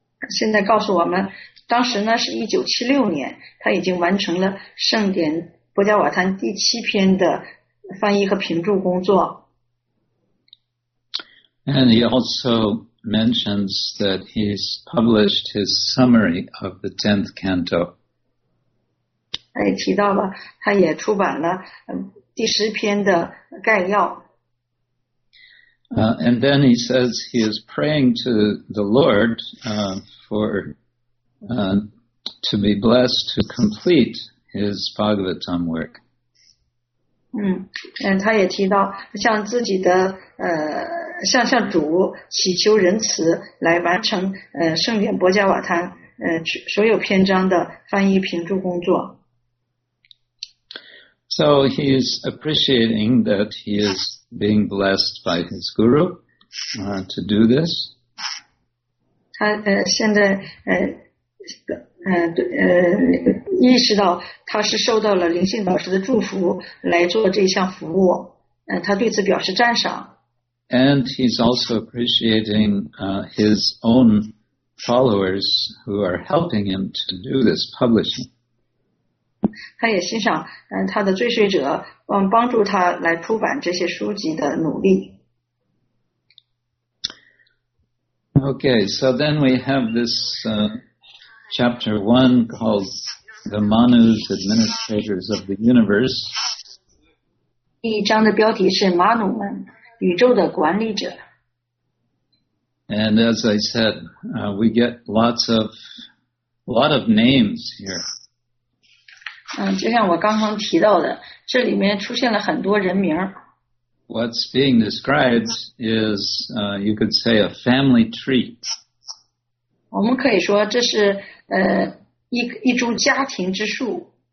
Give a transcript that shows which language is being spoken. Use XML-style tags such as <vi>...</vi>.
<zh>现在告诉我们，当时呢是1976年，他已经完成了圣典不加瓦坛第七篇的翻译和评注工作。</zh> <en>And he also mentions that he's published his summary of the 10th canto.</en> <zh>他也提到了，他也出版了第十篇的概要。</zh> <en>And then he says he is praying to the Lord for to be blessed to complete his Bhagavatam work.</en> <zh>他也提到向自己的向主祈求仁慈来完成圣典博伽瓦坛所有篇章的翻译评注工作。</zh> <en>So he's appreciating that he is being blessed by his guru to do this.</en> <zh>他现在意识到他是受到了灵性导师的祝福来做这项服务，他对此表示赞赏。</zh> <en>And he's also appreciating his own followers who are helping him to do this publishing.</en> <zh>他也欣赏他的追随者帮助他来出版这些书籍的努力。</zh> <en>Okay, so then we have this chapter 1 called The Manus, Administrators of the Universe.</en> <zh>第一章的标题是马努们，宇宙的管理者。</zh> <en>And as I said, we get a lot of names here.</en> <zh>就像我刚刚提到的，这里面出现了很多人名。</zh> <en>What's being described is, you could say, a family tree.</en> <zh>我们可以说这是一株家庭之树。</zh>